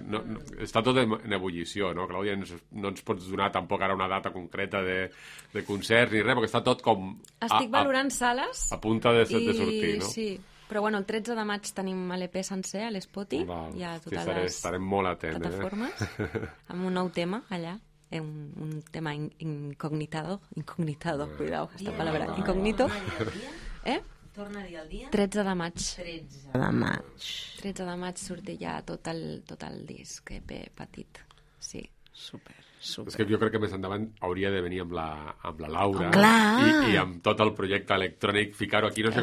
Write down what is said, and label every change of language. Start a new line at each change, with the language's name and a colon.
Catalan: No, no, està tot en ebullició, no? Clàudia, no ens pots donar tampoc ara una data concreta de concert ni res, perquè està tot com... Estic valorant sales. A punta de sortir, no? Sí, però bueno, el 13 de maig tenim l'EP sencer a l'Spoti. Val, i a totes estarem molt atents, plataformes, eh? Amb un nou tema allà.
Spanish: Es un tema incognitado, cuidado, esta palabra, incógnito. ¿Torna el día al día?
Catalan: 13 de maig. 13 de maig. 13 de maig surte ya tot el disc, EP petit. Sí, súper. Super. És que jo crec que més endavant hauria de venir amb la Laura i amb tot el projecte electrònic ficar-ho aquí, no sé.